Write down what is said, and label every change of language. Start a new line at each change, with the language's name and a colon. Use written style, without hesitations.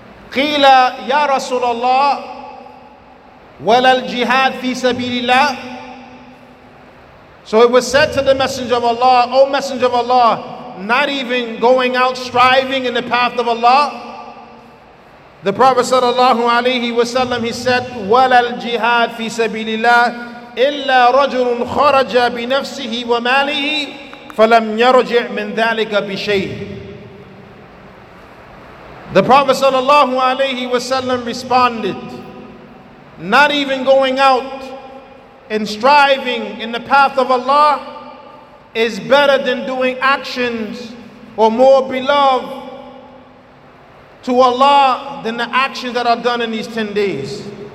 Arabic: قِيلَ يَا رَسُولَ اللَّهِ وَلَا الْجِهَادِ فِي سَبِيلِ اللَّهِ.
English: So it was said to the Messenger of Allah, O Messenger of Allah, not even going out striving in the path of Allah. The Prophet sallallahu alayhi wa sallam, he said,
Arabic: وَلَا الْجِهَادِ فِي سَبِيلِ اللَّهِ إِلَّا رَجُلٌ خَرَجَ بِنَفْسِهِ وَمَالِهِ فَلَمْ يَرْجِعْ مِنْ ذَلِكَ بِشَيْءٍ.
English: The Prophet sallallahu alayhi wa sallam responded, not even going out and striving in the path of Allah is better than doing actions or more beloved to Allah than the actions that are done in these 10 days.